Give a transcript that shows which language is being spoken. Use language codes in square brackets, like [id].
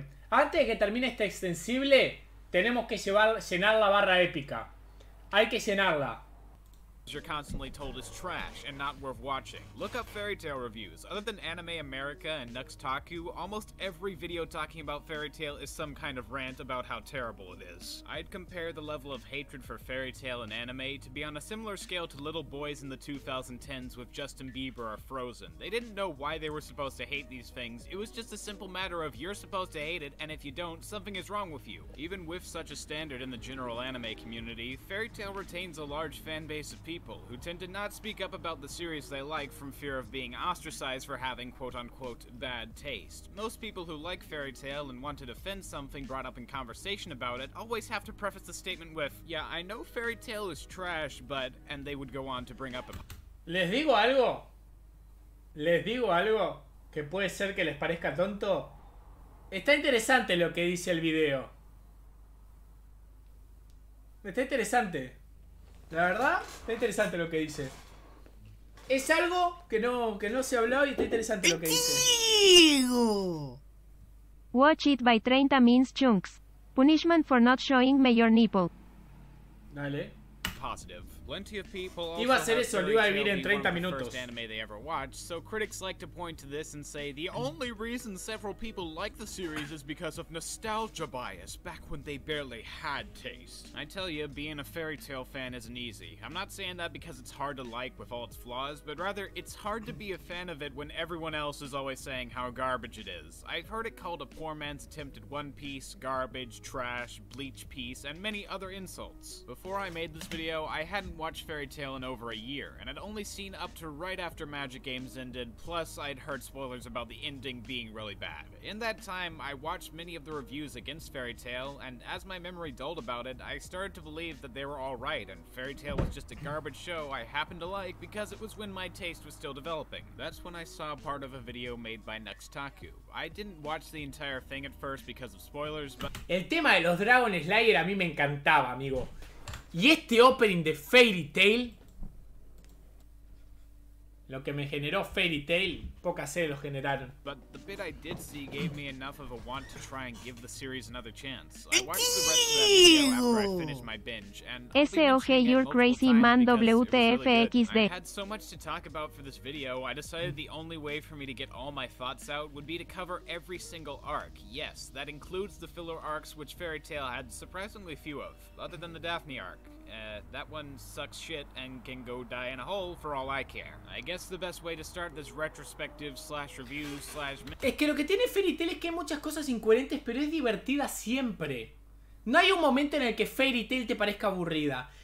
[es] Antes de que termine este extensible, tenemos que llenar la barra épica. Hay que llenarla. [en] You're constantly told is trash and not worth watching. Look up Fairy Tale reviews. Other than Anime America and Nux Taku, almost every video talking about Fairy Tale is some kind of rant about how terrible it is. I'd compare the level of hatred for Fairy Tale and anime to be on a similar scale to little boys in the 2010s with Justin Bieber or Frozen. They didn't know why they were supposed to hate these things. It was just a simple matter of you're supposed to hate it, and if you don't, something is wrong with you. Even with such a standard in the general anime community, Fairy Tale retains a large fan base of people who tend to not speak up about the series they like from fear of being ostracized for having quote-unquote bad taste. Most people who like Fairy Tale and want to defend something brought up in conversation about it always have to preface the statement with, "Yeah, I know Fairy Tale is trash, but," and they would go on to bring up a... [es] Les digo algo que puede ser que les parezca tonto. Está interesante lo que dice el video. Está interesante. La verdad, está interesante lo que dice. Es algo que no se ha hablado y está interesante lo que dice. [en] Watch it by 30 means chunks. Punishment for not showing me your nipple. [es] Dale. [en] Positive. Plenty of people [es] also iba a ser eso, lo iba a vivir en 30 minutos. [en] First anime they ever watched, so critics like to point to this and say the only reason several people like the series is because of nostalgia bias back when they barely had taste. I tell you, being a Fairy Tale fan isn't easy. I'm not saying that because it's hard to like with all its flaws, but rather it's hard to be a fan of it when everyone else is always saying how garbage it is. I've heard it called a poor man's attempt at One Piece, garbage, trash, bleach piece, and many other insults. Before I made this video, I hadn't watched Fairy Tail in over a year, and I'd only seen up to right after Magic Games ended, plus I'd heard spoilers about the ending being really bad. In that time, I watched many of the reviews against Fairy Tail, and as my memory dulled about it, I started to believe that they were all right, and Fairy Tail was just a garbage show I happened to like because it was when my taste was still developing. That's when I saw part of a video made by Nextaku. I didn't watch the entire thing at first because of spoilers, but... [es] El tema de los Dragon Slayer a mí me encantaba, amigo. Y este opening de Fairy Tail, lo que me generó Fairy Tail, pocas series lo generaron. [en] But the bit I did see gave me enough of a want to try and give the series another chance. I watched the rest of that video after I finished my binge, and S.O.G. You're crazy, man. W.T.F.X.D. I had so much to talk about for this video, I decided the only way for me to get all my thoughts out would be to cover every single arc. Yes, that includes the filler arcs, which Fairy Tail had surprisingly few of, other than the Daphne arc. That one sucks shit and can go die in a hole for all I care. I guess the best way to start this retrospective slash review slash... [es] Es que lo que tiene Fairy Tail es que hay muchas cosas incoherentes, pero es divertida siempre. No hay un momento en el que Fairy Tail te parezca aburrida.